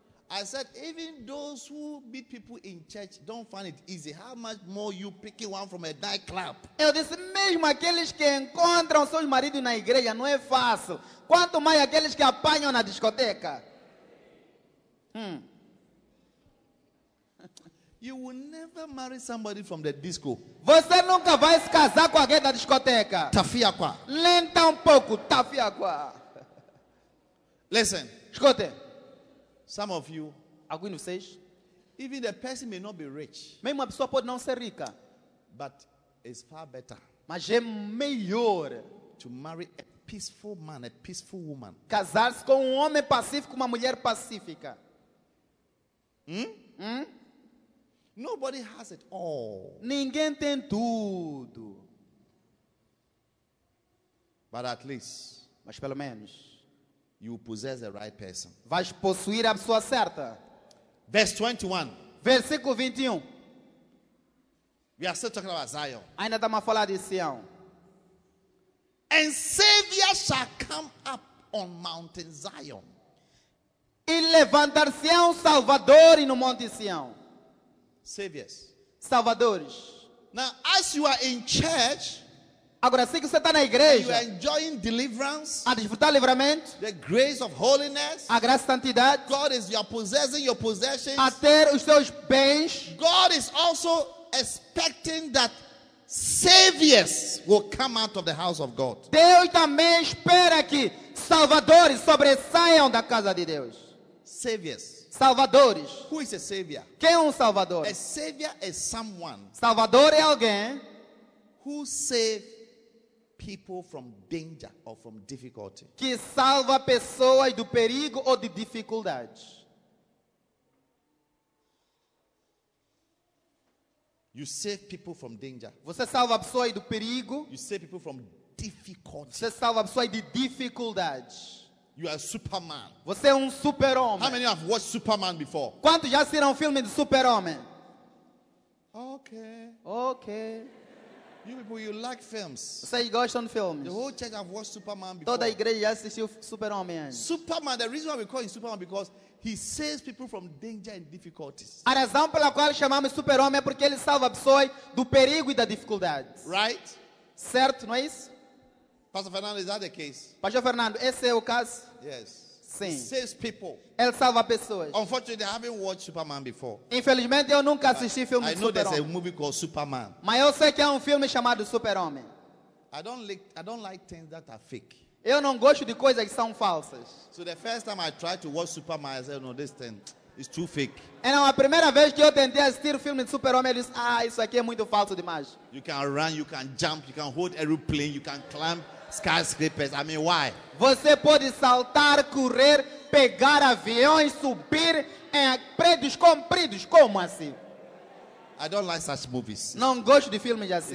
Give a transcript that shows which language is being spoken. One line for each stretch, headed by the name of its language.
English: I said, even those who beat people in church don't find it easy. How much more you picking one from a nightclub?
Portuguese: Eu disse, mesmo aqueles que encontram seus maridos na igreja, não é fácil. Quanto mais aqueles que apanham na discoteca?
English: You will never marry somebody from the disco.
Portuguese: Você nunca vai se casar com alguém da discoteca. Tafiaqua. Lenta pouco, tafiaqua.
English: Listen.
Portuguese: Escute.
English: Some of you,
Portuguese: alguns de vocês,
English: even the person may not be rich,
Portuguese: mesmo a pessoa pode não ser rica,
English: but it's far better,
Portuguese: mas é melhor,
English: to marry a peaceful man, a peaceful woman,
Portuguese: casar-se com homem pacífico, uma mulher pacífica.
English: Nobody has it all.
Portuguese: Ninguém tem tudo.
English: But at least,
Portuguese: mas pelo menos,
English: you possess the right person.
Portuguese: Vais possuir a pessoa certa.
English: Verse 21.
Portuguese: Versículo 21.
English: We are still talking about Zion.
Portuguese: Ainda estamos a falar de Sião.
English: And Savior shall come up on Mount Zion.
Portuguese: E levantar-se-á um Salvador no Monte Sião.
English: Saviors.
Portuguese: Salvadores.
English: Now, as you are in church,
Portuguese: agora, se você está na igreja,
English: you are enjoying deliverance,
Portuguese: a desfrutar livramento,
English: the grace of holiness,
Portuguese: a graça de santidade,
English: God is your possessing your possessions,
Portuguese: a ter os seus bens,
English: God is also expecting that saviors will come out of the house of God.
Portuguese: Deus também espera que salvadores sobressaiam da casa de Deus.
English: Saviors.
Portuguese: Salvadores.
English: Who is a savior?
Portuguese: Quem é salvador?
English: A savior is someone.
Portuguese: Salvador é alguém
English: who saves people from danger or from difficulty.
Portuguese: Que salva pessoas do perigo ou de dificuldade.
English: You save people from danger.
Portuguese: Você salva pessoas do perigo.
English: You save people from difficulty.
Portuguese: Você salva pessoas de dificuldade.
English: You are Superman.
Portuguese: Você é super-homem.
English: How many have watched Superman before?
Portuguese: Quantos já assistiram filme de super-homem?
English: Okay. Okay. You people, you like films.
Portuguese: Vocês gostam de filmes?
English: The whole church have watched Superman before.
Portuguese: Toda a igreja já assistiu Superman antes.
English: Superman, the reason why we call him Superman because he saves people from danger and difficulties.
Portuguese: A razão pela qual chamamos Superman é porque ele salva pessoas do perigo e da dificuldade.
English: Right?
Portuguese: Certo, não é isso?
English: Pastor Fernando, is that the case?
Portuguese: Pastor Fernando, esse é o caso?
English: Yes.
Portuguese: Sim.
English: He saves people.
Portuguese: Ele salva pessoas.
English: Unfortunately, I haven't watched Superman before.
Portuguese: Infelizmente, eu nunca assisti filme
English: Superman. I know there's a movie called Superman.
Portuguese: Mas eu sei que é filme chamado Super-Homem.
English: I don't like things that are fake.
Portuguese: Eu não gosto de coisas que são falsas.
English: So the first time I tried to watch Superman, I said, no, this thing is too fake.
Portuguese: Então, a primeira vez que eu tentei assistir o filme de Super-Homem, eu disse, isso aqui é muito falso demais.
English: You can run, you can jump, you can hold aeroplane, you can climb skyscrapers. I mean, why?
Portuguese: Você pode saltar, correr, pegar aviões, subir em prédios compridos. Como assim?
English: I don't like such movies.
Portuguese: Não gosto de filmes assim.